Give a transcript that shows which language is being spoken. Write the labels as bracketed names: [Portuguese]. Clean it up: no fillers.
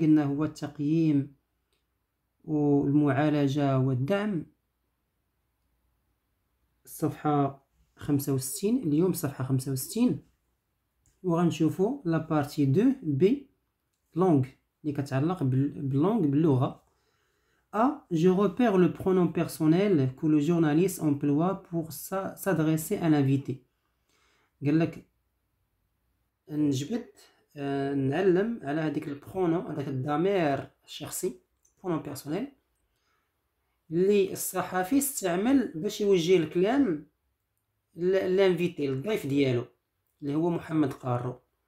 [Arabic] قلنا هو التقييم والمعالجة والدعم، صفحة 65. اليوم صفحة 65 وغنشوفو [French] لا بارتي دو بي لونغ [Arabic] اللي كتعلق باللونغ باللغة. [French] A. Je repère le pronom personnel que le journaliste emploie pour s'adresser à l'invité. [Arabic] قالك نجبد نعلم على هذيك البرونون، هذاك الضمير الشخصي، [French] برونون بيرسونيل، [Arabic] اللي الصحفي استعمل باش يوجه الكلام لانفيتي، الضيف ديالو اللي هو محمد قارو.